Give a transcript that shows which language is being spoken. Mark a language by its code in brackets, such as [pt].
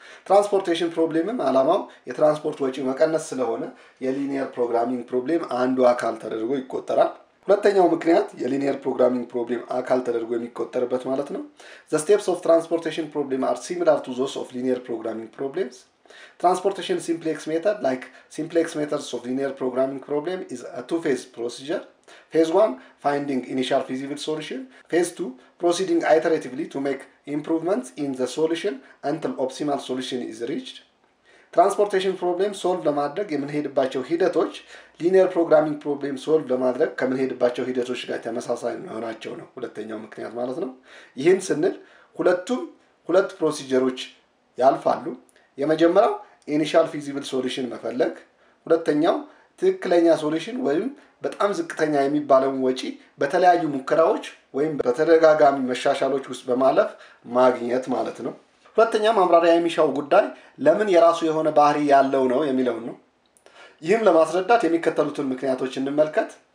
[am] ትራንስፖርቴሽን ፕሮብለምም አላማው የትራንስፖርት ወጪ መቀነስ ስለሆነ የሊኒየር ፕሮግራሚንግ ፕሮብለም አንዱ አካል ተደርጎ ይቆጠራል። ሁለተኛው ምክንያት የሊኒየር ፕሮግራሚንግ ፕሮብለም አካል ተደርጎ የሚቆጠርበት ማለት ነው። [en] The steps of transportation problem are similar to those of linear programming problems. Transportation simplex method, like simplex methods of linear programming problem, is a two-phase procedure. Phase 1, finding initial feasible solution. Phase 2, proceeding iteratively to make improvements in the solution until optimal solution is reached. [am] Transportation problem solved ለማድረግ የምንሄድባቸው ሂደቶች linear programming problem solved ለማድረግ ከምንሄድባቸው ሂደቶች ጋር ተመሳሳይ መሆናቸው ነው ሁለተኛው ምክንያት ማለት ነው። ይህን ስንል ሁለቱም ሁለት ፕሮሲጀሮች ያልፋሉ። የመጀመሪያው ኢኒሻል ፊዚብል ሶሉሽን መፈለግ፣ ሁለተኛው ትክክለኛ ሶሉሽን ወይም በጣም ዝቅተኛ የሚባለው ወጪ በተለያዩ ሙከራዎች ወይም በተደጋጋሚ መሻሻሎች ውስጥ በማለፍ ማግኘት ማለት ነው። ሁለተኛ ማብራሪያ የሚሻው ጉዳይ ለምን የራሱ የሆነ ባህሪ ያለው ነው የሚለው ነው። ይህም ለማስረዳት የሚከተሉትን ምክንያቶች እንመልከት።